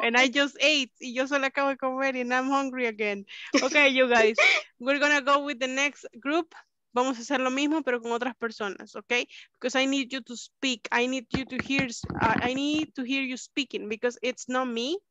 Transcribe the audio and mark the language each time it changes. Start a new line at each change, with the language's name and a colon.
English: And I just ate,
Spanish: y yo solo acabo de comer,
English: and I'm hungry again. Okay, you guys, we're gonna go with the next group.
Spanish: Vamos a hacer lo mismo, pero con otras personas, okay?
English: Because I need you to speak. I need you to hear. I need to hear you speaking because it's not me.